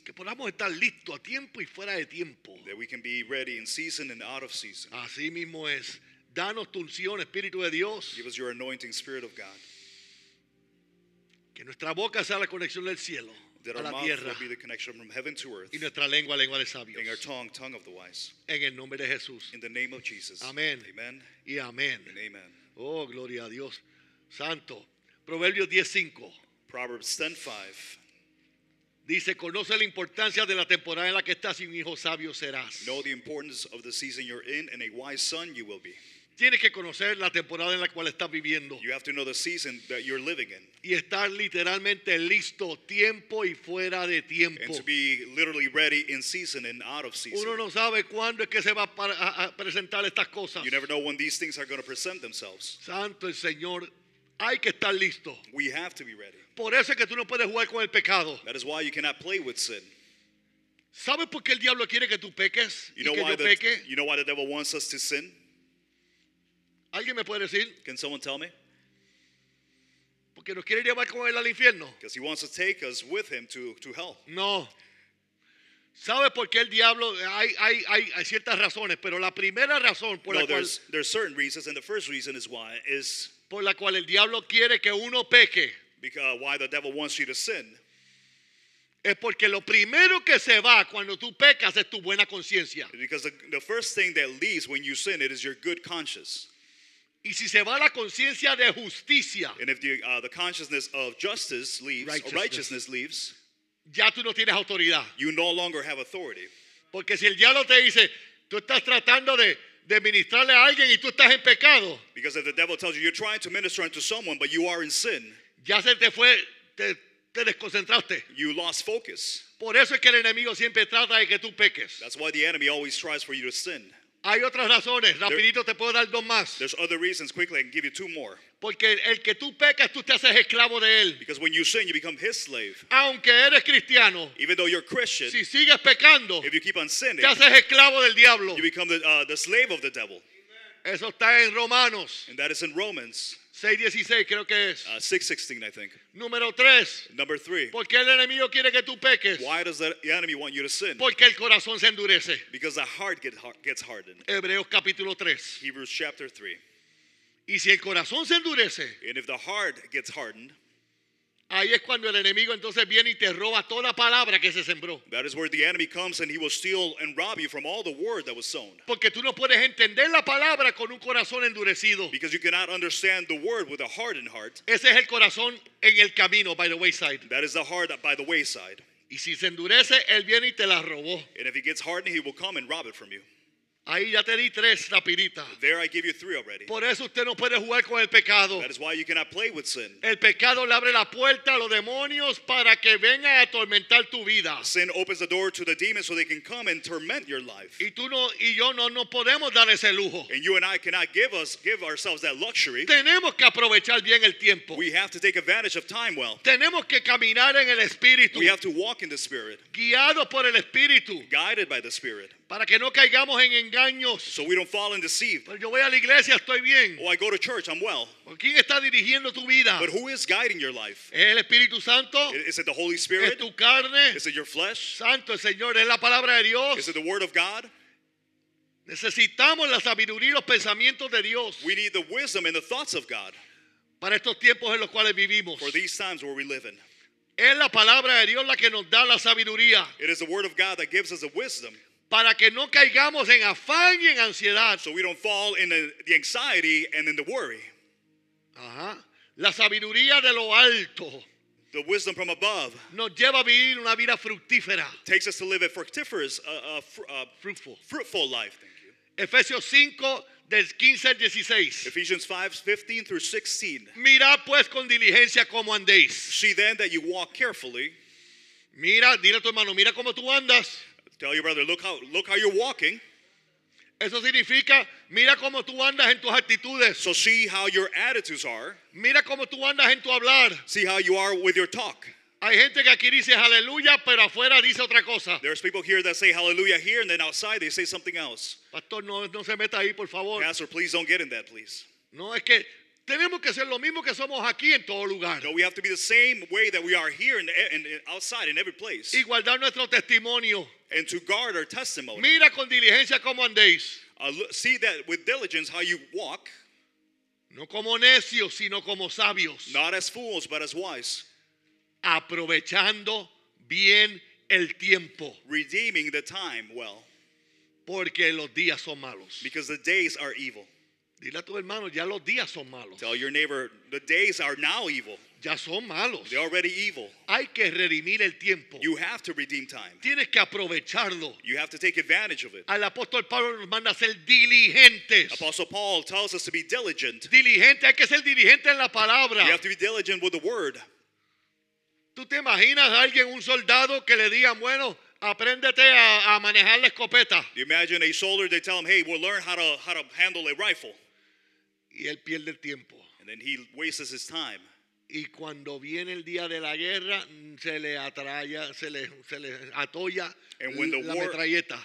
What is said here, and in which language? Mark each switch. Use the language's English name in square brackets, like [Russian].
[Spanish] Que podamos estar listos a tiempo y fuera de tiempo. [English] That we can be ready in season and out of season. [Spanish] Así mismo es. Danos tu unción, Espíritu de Dios. [English] Give us your anointing, Spirit of God. [Spanish] Que nuestra boca sea la conexión del cielo a la tierra. [English] Be the connection from heaven to earth. [Spanish] Y nuestra lengua, lengua de sabios. [English] And our tongue, tongue of the wise. [Spanish] En el nombre de Jesús. [English] In the name of Jesus. [Spanish] Amén. [English] Amen. [Spanish] Y amén. [English] And amen. [Spanish] Oh, gloria a Dios. Santo. Proverbios 10:5. [English] Proverbs 10:5. [Spanish] Dice, conoce la importancia de la temporada en la que estás y un hijo sabio serás. [English] Know the importance of the season you're in and a wise son you will be. [Spanish] Tienes que conocer la temporada en la cual estás viviendo. [English] You have to know the season that you're living in. [Spanish] Y estar literalmente listo, tiempo y fuera de tiempo. [English] And to be literally ready in season and out of season. [Spanish] Uno no sabe cuándo es que se va a presentar estas cosas. [English] You never know when these things are going to present themselves. [Spanish] Santo el Señor, hay que estar listo. [English] We have to be ready. [Spanish] Por eso es que tú no puedes jugar con el pecado. [English] That is why you cannot play with sin. [Spanish] ¿Sabes por qué el diablo quiere que tú peques y que yo peque? [English] You know why the devil wants us to sin? [Spanish] ¿Alguien me puede decir? [English] Can someone tell me? [Spanish] Porque nos quiere llevar con él al infierno. [English] Because he wants to take us with him to hell. [Spanish] No. ¿Sabe por qué el diablo? Hay ciertas razones, pero la primera razón por la cual... [English] No, there's certain reasons, and the first reason is why is... [Spanish] Por la cual el diablo quiere que uno peque. [English] Because why the devil wants you to sin. [Spanish] Es porque lo primero que se va cuando tú pecas es tu buena conciencia. [English] Because the first thing that leaves when you sin, it is your good conscience. [Spanish] Y si se va la conciencia de justicia. [English] And if the consciousness of justice leaves, righteousness leaves. [Spanish] Ya tú no tienes autoridad. [English] You no longer have authority. [Spanish] Porque si el diablo te dice, tú estás tratando de ministrarle a alguien y tú estás en pecado. [English] Because if the devil tells you, you're trying to minister unto someone, but you are in sin. [Spanish] Ya se te fue, te desconcentraste. [English] You lost focus. [Spanish] Por eso es que el enemigo siempre trata de que tú peques. [English] That's why the enemy always tries for you to sin. [Spanish] Hay otras razones. Rapidito te puedo dar dos más. [English] There's other reasons. Quickly, I can give you two more. [Spanish] Porque el que tú pecas, tú te haces esclavo de él. [English] Because when you sin, you become his slave. [Spanish] Aunque eres cristiano. [English] Even though you're Christian. [Spanish] Si sigues pecando. [English] If you keep on sinning. [Spanish] Te haces esclavo del diablo. [English] You become the slave of the devil. [Spanish] Amen. Eso está en Romanos. [English] And that is in Romans. [Spanish] 6:16, creo que es. [English] 6:16, I think. [Spanish] Número 3. [English] Number 3. [Spanish] ¿Por qué el enemigo quiere que tú peques? [English] Why does the enemy want you to sin? [Spanish] Porque el corazón se endurece. [English] Because the heart gets hardened. [Spanish] Hebreos capítulo 3. [English] Hebrews chapter 3. [Spanish] Y si el corazón se endurece. [English] And if the heart gets hardened. [Spanish] Ahí es cuando el enemigo entonces viene y te roba toda la palabra que se sembró. [English] That is where the enemy comes and he will steal and rob you from all the word that was sown. [Spanish] Porque tú no puedes entender la palabra con un corazón endurecido. [English] Because you cannot understand the word with a hardened heart. [Spanish] Ese es el corazón en el camino, [English] by the wayside. That is the heart by the wayside. [Spanish] Y si se endurece, él viene y te la robó. [English] And if he gets hardened, he will come and rob it from you. [Spanish] Ahí ya te di tres rapiditas. [English] There I give you three already. [Spanish] Por eso usted no puede jugar con el pecado. [English] That is why you cannot play with sin. [Spanish] El pecado le abre la puerta a los demonios para que vengan a atormentar tu vida. [English] Sin opens the door to the demons so they can come and torment your life. [Spanish] Y tú no y yo no podemos dar ese lujo. [English] And you and I cannot give ourselves that luxury. [Spanish] Tenemos que aprovechar bien el tiempo. [English] We have to take advantage of time well. [Spanish] Tenemos que caminar en el espíritu. [English] We have to walk in the spirit. [Spanish] Guiados por el espíritu. [English] Guided by the spirit. [Spanish] Para que no caigamos en engaños. [English] So we don't fall and deceive. [Spanish] Pero yo voy a la iglesia, estoy bien. [English] Oh, I go to church, I'm well. [Spanish] ¿Quién está dirigiendo tu vida? [English] But who is guiding your life? [Spanish] ¿Es el Espíritu Santo? [English] Is it the Holy Spirit? [Spanish] ¿Es tu carne? [English] Is it your flesh? [Spanish] Santo el Señor, ¿es la palabra de Dios? [English] Is it the word of God? [Spanish] Necesitamos la sabiduría y los pensamientos de Dios. [English] We need the wisdom and the thoughts of God. [Spanish] Para estos tiempos en los cuales vivimos. [English] For these times where we live in. [Spanish] Es la palabra de Dios la que nos da la sabiduría. [English] It is the word of God that gives us the wisdom. [Spanish] Para que no caigamos en afán y en ansiedad. [English] So we don't fall in the anxiety and in the worry. [Spanish] Ajá. La sabiduría de lo alto. [English] The wisdom from above [Spanish] nos lleva a vivir una vida fructífera. [English] Takes us to live a fructiferous, fruitful life. Thank you. [Spanish] Efesios 5, del 15 al 16. [English] Ephesians 5, 15 through 16. [Spanish] Mirad pues con diligencia como andéis. [English] See then that you walk carefully. [Spanish] Mira, dile a tu hermano, mira cómo tú andas. [English] Tell your brother, look how you're walking. [Spanish] Eso significa, mira cómo tú andas en tus actitudes. [English] So see how your attitudes are. [Spanish] Mira cómo tú andas en tu hablar. [English] See how you are with your talk. [Spanish] Hay gente que aquí dice aleluya, pero afuera dice otra cosa. [English] There's people here that say hallelujah here, and then outside they say something else. [Spanish] Pastor, no se meta ahí, por favor. [English] Pastor, please don't get in that, please. [Spanish] No, es que tenemos que ser lo mismo que somos aquí en todo lugar. [English] No, we have to be the same way that we are here and outside in every place. [Spanish] Y guardar nuestro testimonio. [English] And to guard our testimony. [Spanish] Mira con diligencia cómo andéis. [English] See that with diligence how you walk. [Spanish] No como necios, sino como sabios. [English] Not as fools, but as wise. [Spanish] Aprovechando bien el tiempo. [English] Redeeming the time well. [Spanish] Porque los días son malos. [English] Because the days are evil. [Spanish] Dile a tu hermano, ya los días son malos. [English] Tell your neighbor, the days are now evil. [Spanish] Ya son malos. [English] They're already evil. [Spanish] Hay que redimir el tiempo. [English] You have to redeem time. [Spanish] Tienes que aprovecharlo. [English] You have to take advantage of it. [Spanish] Al apóstol Pablo nos manda a ser diligentes. [English] Apostle Paul tells us to be diligent. [Spanish] Diligente, hay que ser diligente en la palabra. [English] You have to be diligent with the word. [Spanish] ¿Tú te imaginas a alguien, un soldado, que le diga, bueno, apréndete a manejar la escopeta? [English] You imagine a soldier, they tell him, hey, we'll learn how to handle a rifle. [Spanish] Y él pierde el tiempo. [English] And then he wastes his time. [Spanish] Y cuando viene el día de la guerra, se le atolla la metralleta.